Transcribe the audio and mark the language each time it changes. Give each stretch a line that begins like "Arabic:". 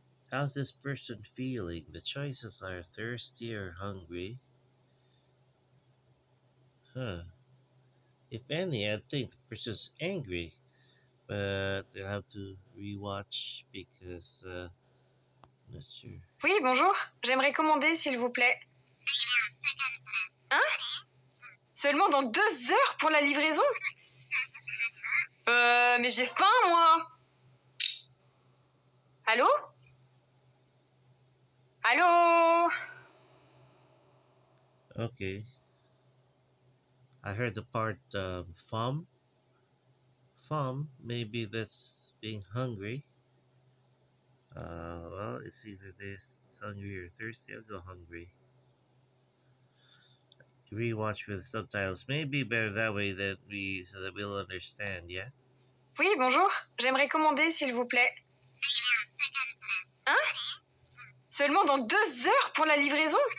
English: How's this person feeling? The choices are thirsty or hungry. Huh. If any, I think the person's angry. But they'll have to rewatch because, I'm not sure.
French: Oui, bonjour. J'aimerais commander, s'il vous plaît. Hein? Seulement dans 2 heures pour la livraison? Mais j'ai faim, moi. Allô? Allô?
English: Okay. I heard the part femme. Femme, maybe that's being hungry. Well, it's either this, hungry or thirsty. I'll go hungry. Rewatch with subtitles. Maybe better that way that we, so that we'll understand, yeah?
French: Oui, bonjour. J'aimerais commander, s'il vous plaît. Hein? Seulement dans 2 heures pour la livraison?